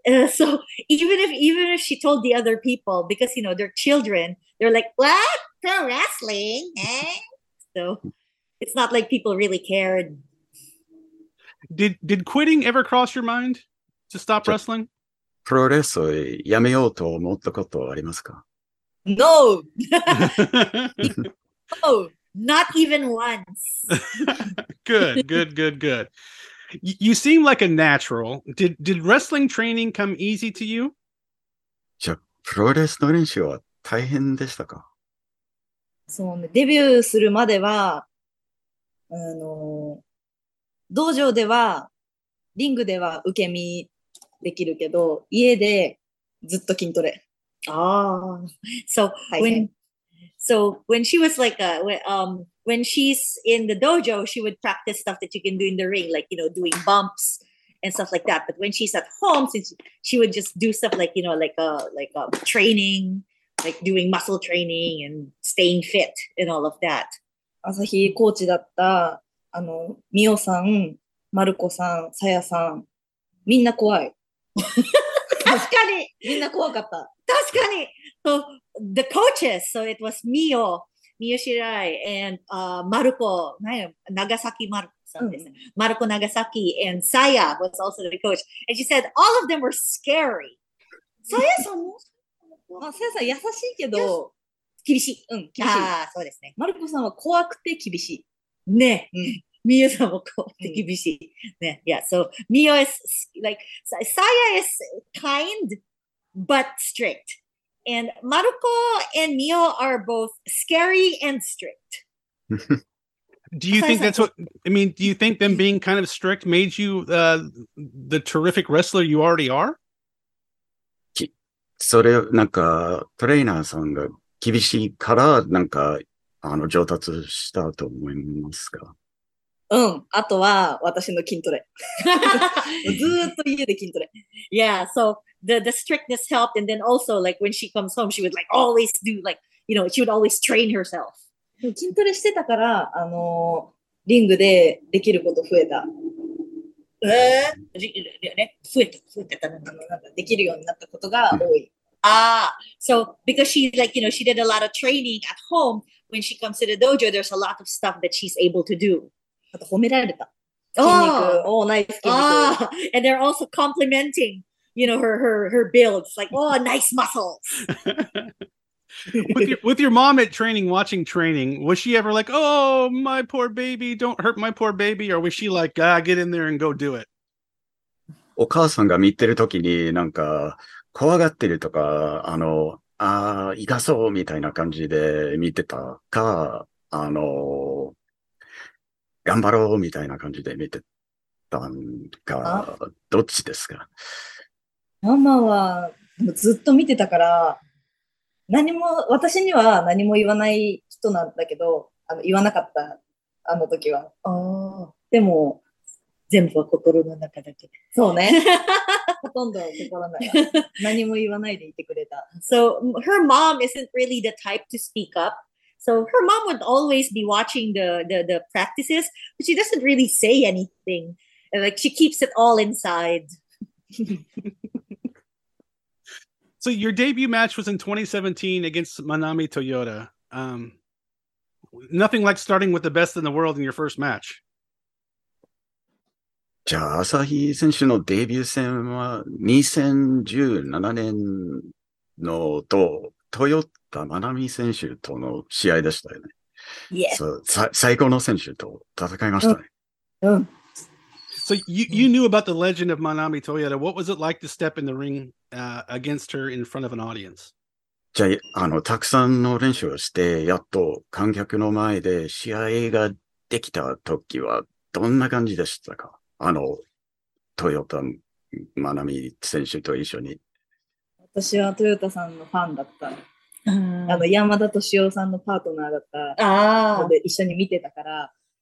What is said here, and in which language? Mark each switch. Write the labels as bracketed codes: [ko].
[en] So even if she told the other people, because you know they're children, they're like, what? Pro wrestling, eh? So, it's not like people really cared. Did quitting ever cross your mind to stop wrestling? [ja] プロレスをやめようと思ったことはありますか? [en] No! No, not even once. good. You seem like a natural. Did wrestling training come easy to you? [ja] じゃあ、プロレスの練習は大変でしたか? そうね、デビューするまでは、道場では、リングでは受け身できるけど、家でずっと筋トレ。 [en] ああ、so when, so when she was like, when she's in the dojo, she would practice stuff that you can do in the ring, like, you know, doing bumps and stuff like that. But when she's at home, since she would just do stuff like, you know, like training. Like doing muscle training and staying fit and all of that. [ja] Asahi コーチだった、ミオさん、マルコさん、サヤさん、みんな怖い。確かに。みんな怖かった。確かに。 [en] So, the coaches, so it was Mio, Mio Shirai, and, Maruko, [ja] 長崎マルコさんですね。マルコ長崎 [en] and Saya was also the coach. And she said, all of them were scary. [ja] サヤさんもまあ、さやさん優しいけど、厳しい。うん、厳しい。ああ、そうですね。マルコさんは怖くて厳しい。ね。うん、ミヨさんも怖くて厳しい。うん、ね。いや、そう。 [en] ミヨ is, like, Saya is kind, but strict. And マルコ and ミヨ are both scary and strict. Do you think that's what, I mean, do you think them being kind of strict made you, the terrific wrestler you already are? [ja] それ、なんか、トレーナーさんが厳しいから、なんか、上達したと思いますか? うん。あとは、私の筋トレ。ずっと家で筋トレ。 [en] Yeah, so, the strictness helped, and then also, like, when she comes home, she would, like, always do, like, you know, she would always train herself. [ja] 筋トレしてたから、リングでできること増えた。 [en] Ah, so because she like, you know, she did a lot of training at home, when she comes to the dojo, there's a lot of stuff that she's able to do. [ja] あと褒められた。 [en] Oh, nice. Ah, and they're also complimenting, you know, her builds, like, oh, nice muscles. with your mom at training, watching training, was she ever like, oh, my poor baby, don't hurt my poor baby? Or was she like, ah, get in there and go do it? [ja] お母さんが見てる時になんか怖がってるとか、ああ、痛そうみたいな感じで見てたか、頑張ろうみたいな感じで見てたんか、どっちですか？ママはずっと見てたから、何も、私には何も言わない人なんだけど、言わなかった、あの時は。ああ。でも、全部は心の中だけ。そうね。ほとんど心の中。何も言わないでいてくれた。 [en] So, her mom isn't really the type to speak up. So her mom would always be watching the practices, but she doesn't really say anything. Like, she keeps it all inside. So your debut match was in 2017 against Manami Toyota. Nothing like starting with the best in the world in your first match. [ja] じゃあ、アサヒ選手のデビュー戦は2017年のと、トヨタ・マナミ選手との試合でしたよね。 [en] Yeah. [ja] そう、最高の選手と戦いましたね。うん。 [en] So you knew about the legend of Manami Toyota. What was it like to step in the ring, against her in front of an audience? [ja] じゃあ、たくさんの練習をして、やっと観客の前で試合ができた時はどんな感じでしたか? トヨタ・マナミ選手と一緒に。私はトヨタさんのファンだった。山田敏夫さんのパートナーだったので一緒に見てたから。